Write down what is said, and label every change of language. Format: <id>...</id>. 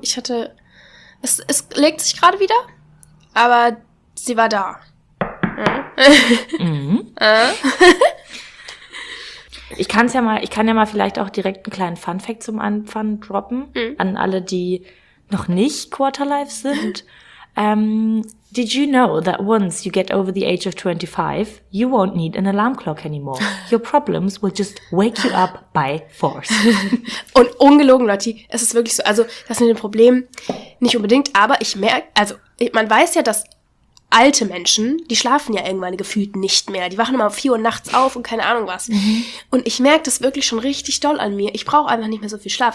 <de>Ich hatte, es legt sich gerade wieder, aber sie war da. Ich kann ja mal vielleicht auch direkt einen kleinen Funfact zum Anfang droppen, an alle, die noch nicht Quarterlife sind.</de> <en>Did you know that once you get over the age of 25, you won't need an alarm clock anymore? Your problems will just wake you up by force.</en> <de>Und ungelogen, Lotti, es ist wirklich so, also das sind die Probleme nicht unbedingt, aber ich merke, also man weiß ja, dass alte Menschen, die schlafen ja irgendwann gefühlt nicht mehr. Die wachen immer um 4 Uhr nachts auf und keine Ahnung was. Und ich merke das wirklich schon richtig doll an mir. Ich brauche einfach nicht mehr so viel Schlaf.</de>